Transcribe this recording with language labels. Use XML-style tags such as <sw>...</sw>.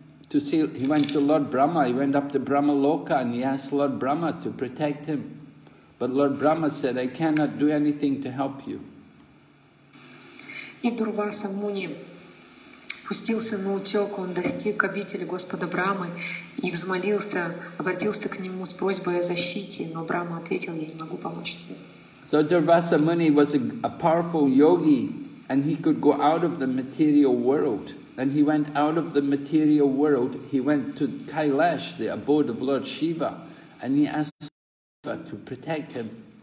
<en>to see, he went to Lord Brahma, he went up to Brahma Loka and he asked Lord Brahma to protect him. But Lord Brahma said, I cannot do anything to help you.</en> <ru>И Дурваса Муни пустился на утек, он достиг обители Господа Брамы и взмолился, обратился к нему с просьбой о защите, но Брама ответил, я не могу помочь тебе.</ru> <en>So Дурваса Муни was a powerful yogi and he could go out of the material world. And he went out of the material world, he went to Kailash, the abode of Lord Shiva, and he asked Shiva to protect him.</en>